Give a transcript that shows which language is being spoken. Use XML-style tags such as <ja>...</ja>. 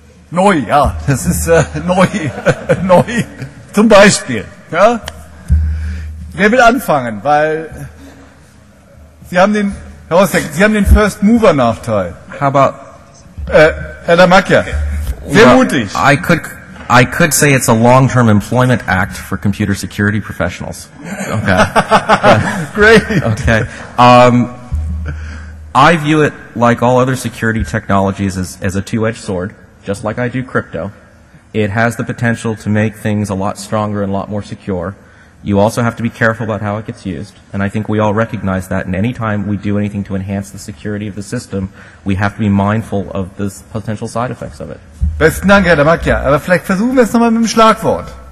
<de>Neu, ja, das ist neu. Neu, zum Beispiel. Ja? Wer will anfangen? Weil Sie haben den, Herr Rostek, Sie haben den First-Mover-Nachteil. Aber Herr Damakia, sehr mutig.</de> <en>I could say it's a long-term employment act for computer security professionals. Okay. Great. Okay. I view it, like all other security technologies, as a two-edged sword, just like I do crypto. It has the potential to make things a lot stronger and a lot more secure. You also have to be careful about how it gets used, and I think we all recognize that, and any time we do anything to enhance the security of the system, we have to be mindful of the potential side effects of it.</en> <de>Besten Dank, Herr Damakia. Aber vielleicht versuchen wir es nochmal mit dem Schlagwort.</de>